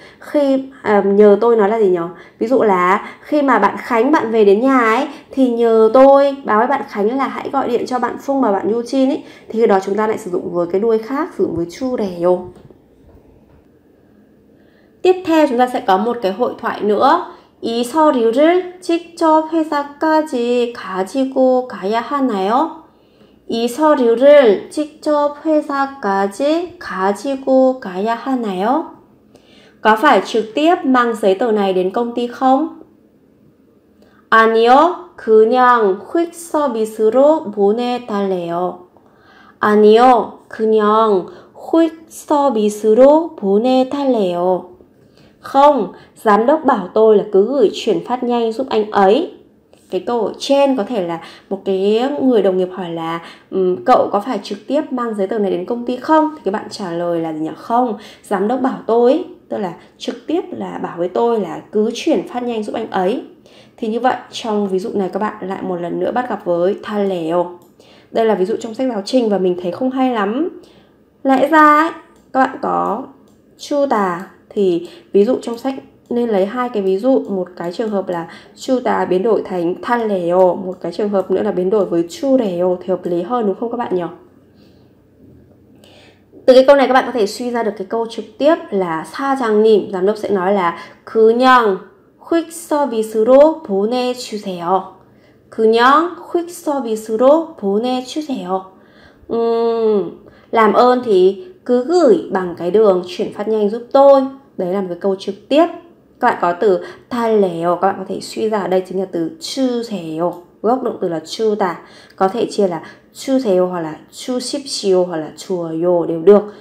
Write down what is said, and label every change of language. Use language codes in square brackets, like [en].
[vi] Khi nhờ tôi nói là gì nhỉ? Ví dụ là khi mà bạn Khánh bạn về đến nhà ấy thì nhờ tôi báo với bạn Khánh là hãy gọi điện cho bạn Phung và bạn Yujin ấy, thì khi đó chúng ta lại sử dụng với cái đuôi khác, sử dụng với 주래요. Tiếp theo chúng ta sẽ có một cái hội thoại nữa. [ko] 이 서류를 직접 회사까지 가지고 가야 하나요? 이 서류를 직접 회사까지 가지고 가야 하나요? [vi] Có phải trực tiếp mang giấy tờ này đến công ty không? [ko] 아니요, 그냥 퀵 서비스로 보내달래요. 아니요, 그냥 퀵 서비스로 보내달래요. [vi] Không, giám đốc bảo tôi là cứ gửi chuyển phát nhanh giúp anh ấy. Cái câu ở trên có thể là một cái người đồng nghiệp hỏi là cậu có phải trực tiếp mang giấy tờ này đến công ty không? Thì các bạn trả lời là gì nhỉ? Không, giám đốc bảo tôi, tức là trực tiếp là bảo với tôi là cứ chuyển phát nhanh giúp anh ấy. Thì như vậy trong ví dụ này các bạn lại một lần nữa bắt gặp với 달래요. Đây là ví dụ trong sách giáo trình và mình thấy không hay lắm. Lẽ ra các bạn có 주다 thì ví dụ trong sách nên lấy hai cái ví dụ, một cái trường hợp là 주다 biến đổi thành 달래요, một cái trường hợp nữa là biến đổi với 주래요 thì hợp lý hơn đúng không các bạn nhỉ? Từ cái câu này các bạn có thể suy ra được cái câu trực tiếp là 사장님, giám đốc sẽ nói là [ko] 그냥 퀵 서비스로 보내주세요. 그냥 퀵 서비스로 보내주세요. [vi] Làm ơn thì cứ gửi bằng cái đường chuyển phát nhanh giúp tôi. Đấy là một cái câu trực tiếp. Các bạn có từ 달래요, các bạn có thể suy ra ở đây chính là từ 주세요. gốc động từ là chu tả, có thể chia là chu theo hoặc là chu ship chiều hoặc là chùa yo đều được.